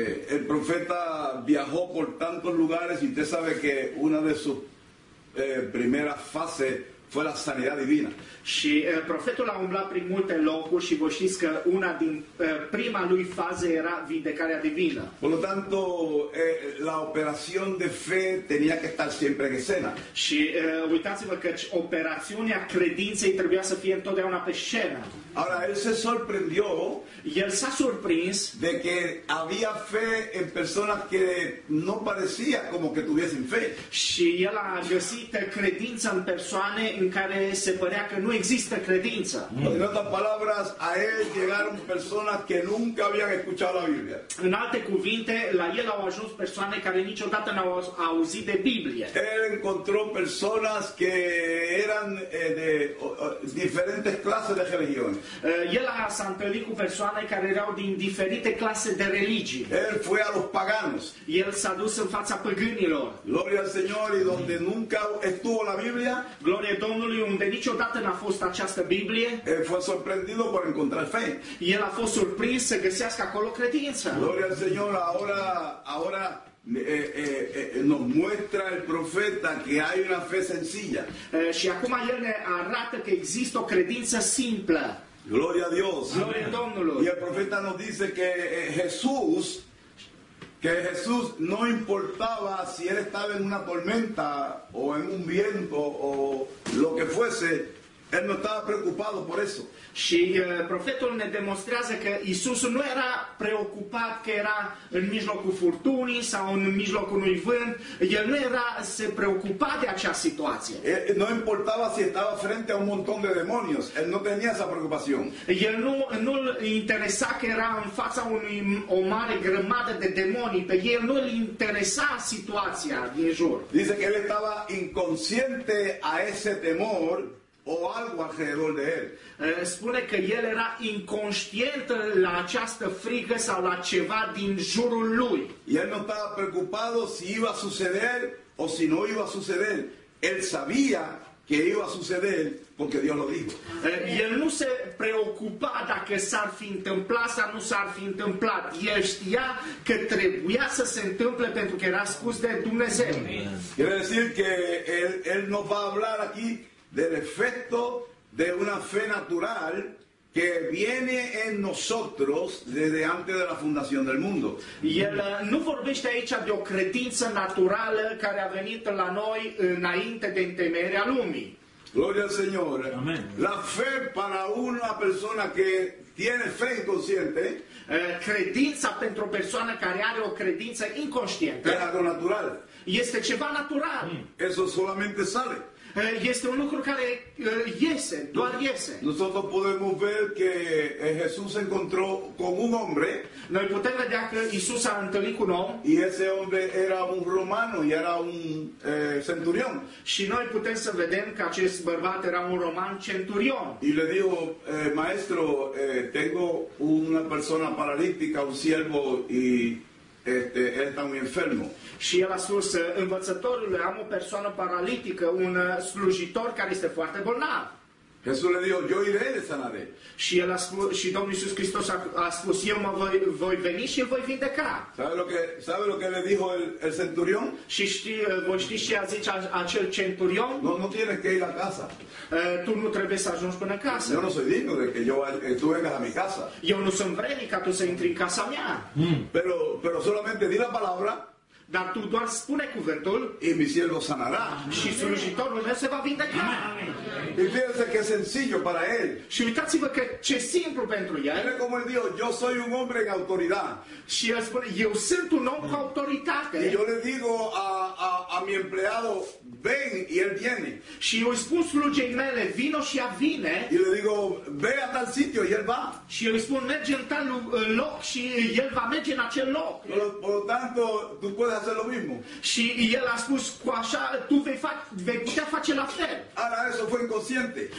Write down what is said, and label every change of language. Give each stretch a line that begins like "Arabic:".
Spanish: El profeta viajó por tantos lugares y usted sabe que una de sus primeras fases fue la sanidad divina.
Romanian: Și profetul a umblat prin multe locuri și vă știți că una din prima lui fază era vindecarea divină.
Spanish: Por lo tanto, la operación de fe tenía que estar siempre en escena.
Romanian: Și uitați-vă că operațiunea credinței trebuia să fie întotdeauna pe scenă.
Spanish: Ahora, él se sorprendió.
Romanian: El s-a surprins
Spanish: de que había fe en personas que no parecía como que tuviesen fe.
Romanian: Și el a găsit credință în persoane en care se părea că nu există credință. În alte cuvinte,
Spanish: a el llegaron personas que nunca habían escuchado la Biblia.
Romanian: În alte cuvinte, la el au ajuns persoane care niciodată n-au auzit de Biblie.
Spanish: Él encontró personas que eran de diferentes clases de religiones.
Romanian: El s-a întâlnit cu persoane care erau din diferite clase de religii.
Spanish: Él fue a los paganos.
Romanian: El s-a dus în fața păgânilor.
Spanish: Gloria al Señor, y donde nunca estuvo la Biblia.
Romanian: Gloria Domnului, unde niciodată n-a fost această Biblie.
Spanish: Él fue sorprendido por encontrar fe.
Romanian: Y él a fost surprins să găsească acolo credință.
Spanish: Gloria al Señor, ahora nos muestra el profeta que hay una fe sencilla.
Romanian: Și acum el ne arată că există o credință simplă.
Spanish: Gloria a Dios.
Romanian: Gloria Domnului.
Spanish: Y el profeta nos dice que Jesús no importaba si él estaba en una tormenta o en un viento o lo que fuese, él no estaba preocupado por eso.
Romanian: Și profetul ne demonstrează că Iisus nu era preocupat că era în mijlocul furtunii sau în mijlocul unui vânt. El nu era se preocupa de acea situație.
Spanish: No importaba si estaba frente a un montón de demonios. Él no tenía esa preocupación.
Romanian: El nu îl interesa că era în fața unui o mare grămadă de demoni. Pe el nu îl interesa situația din jur.
Spanish: Dice que él estaba inconsciente a ese temor o algo alrededor de él.
Romanian: Spune că el era inconștient la această frică sau la ceva din jurul lui.
Spanish: Y él no estaba preocupado si iba a suceder o si no iba a suceder. Él sabía que iba a suceder porque Dios lo dijo.
Romanian: El nu se preocupa dacă s-ar fi întâmplat sau nu s-ar fi întâmplat. El știa că trebuia să se întâmple pentru că era spus de Dumnezeu.
Spanish: Quiere decir que él no va a hablar aquí del efecto de una fe natural que viene en nosotros desde antes de la fundación del mundo.
Romanian: Y el no vorbește aici de o credință naturală care a venit la noi înainte de întemeierea lumii.
Spanish: Gloria al Señor. Amén. La fe para una persona que tiene fe inconsciente,
Romanian: credința pentru o persoană care are o credință inconștientă,
Spanish: es algo natural.
Romanian: Este ceva natural.
Spanish: Eso solamente sale.
Romanian: Este un lucru care iese, doar iese.
Spanish: Nosotros podemos ver que Jesús se encontró con un hombre.
Romanian: Noi putem vedea că Iisus s-a întâlnit cu un om.
Spanish: Y ese hombre era un romano y era un centurión.
Romanian: Și noi putem să vedem că acest bărbat era un roman centurion.
Spanish: Y le dijo, maestro, tengo una persona paralítica, un siervo, y él está muy enfermo.
Romanian: Și el a spus, învățătorule, am o persoană paralitică, un slujitor care este foarte bolnav.
Spanish: Jesús le dijo, yo iré de sanare.
Romanian: Și el a spus, și Domnul Iisus Hristos a spus, eu mă voi veni și îl voi vindeca.
Spanish: ¿Sabe lo que le dijo el centurión?
Romanian: Și voi știți ce a zis acel centurión?
Spanish: No, no tienes que ir a casa.
Romanian: Tu nu trebuie să ajungi până acasă.
Spanish: Yo no soy digno de que tú vengas a mi casa.
Romanian: Eu nu sunt vrednic ca tu să intri în casa mea.
Spanish: Pero solamente di la palabra.
Romanian: Dar tu doar spune cuvântul
Spanish: y mi siervo sanará.
Romanian: Și slujitorul meu se va vindeca.
Spanish: Y fíjense que sencillo para él.
Romanian: Și uitați-vă că ce simplu pentru el.
Spanish: Era como el dijo, yo soy un hombre en autoridad.
Romanian: Și el spune, eu sunt un om cu autoritate.
Spanish: Y yo le digo a mi empleado, ven y él viene.
Romanian: Și eu îi spun slujei mele, vino și ea vine.
Spanish: Y le digo, ve a tal sitio y él va.
Romanian: Și eu îi spun, merge în tal loc și el va merge în acel loc.
Spanish: Por lo tanto, tú puedes hacer lo mismo.
Romanian: Și el a spus, cu așa, tu vei putea face la fel.
Spanish: Ahora eso fue inconsciente.